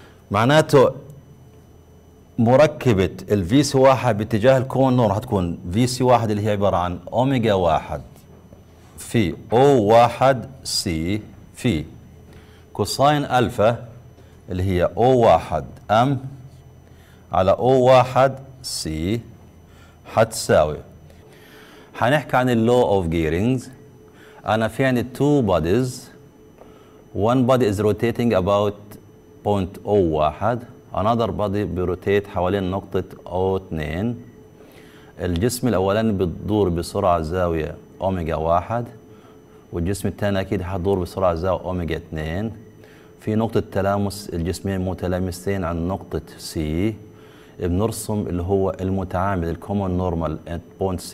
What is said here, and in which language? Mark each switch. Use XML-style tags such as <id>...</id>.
<ar>معناته مركبة ال V C 1 باتجاه الكومون نورمال هتكون V C 1 اللي هي عبارة عن أوميجا 1 في O1 C في كوساين ألفا اللي هي O1 M على O1 C هتساوي. هنحكي عن الـ Law of Gearings. أنا في عندي</ar> <en>two bodies. One body is rotating about point O1. Another body rotate</en> <ar>حوالين نقطة</ar> <en>O2.</en> <ar>الجسم الأولاني بتدور بسرعة زاوية أوميجا 1، والجسم الثاني أكيد حتدور بسرعة زاوية أوميجا 2. في نقطة تلامس الجسمين متلامسين عن نقطة C. بنرسم اللي هو المتعامد الكومون نورمال</ar> <en>at point C.</en>